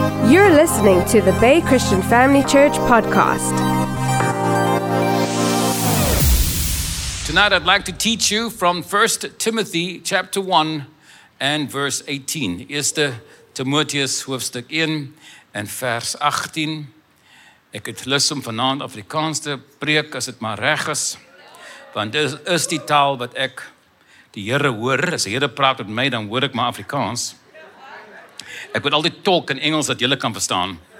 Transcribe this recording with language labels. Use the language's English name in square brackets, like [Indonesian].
[English] You're listening to the Bay Christian Family Church podcast. Tonight I'd like to teach you from 1 Timothy chapter 1 and verse 18. [Afrikaans] Eerste Timotheus hoofdstuk 1 en vers 18. Ek het lus om vanavond Afrikaans te preek as het maar reg is. Want dit is die taal wat ek die Here hoor. As die Here praat met my, dan hoor ek maar Afrikaans. Ek moet altyd talk in Engels dat julle kan verstaan.